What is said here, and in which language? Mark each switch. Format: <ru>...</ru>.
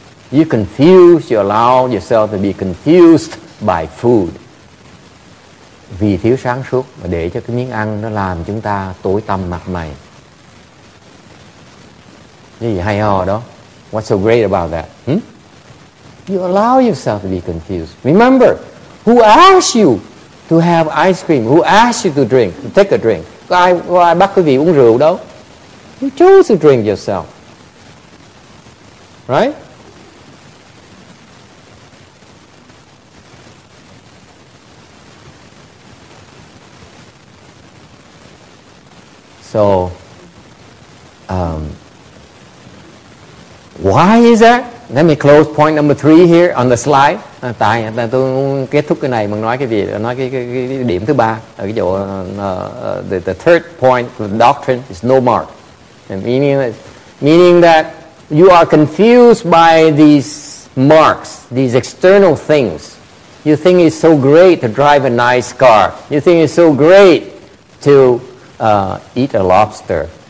<en>You confuse, you allow yourself to be confused by food.</en> <vi>Vì thiếu sáng suốt mà để cho cái miếng ăn nó làm chúng ta tối tăm mặt mày. Cái gì hay ho đó.</vi> <en>What's so great about that? You allow yourself to be confused. Remember, who asked you to have ice cream? Who asked you to drink, to take a drink?</en> <vi>Có ai bắt quý vị uống rượu đâu.</vi> <en>You chose to drink yourself. Right? So, why is that? Let me close point number 3 here on the slide.</en> <vi>Tại tôi kết thúc cái này bằng nói cái gì? Nói cái điểm thứ ba ở cái chỗ</vi> <en>the third point of the doctrine is no mark. And meaning that you are confused by these marks, these external things. You think it's so great to drive a nice car. You think it's so great to eat a lobster.</en>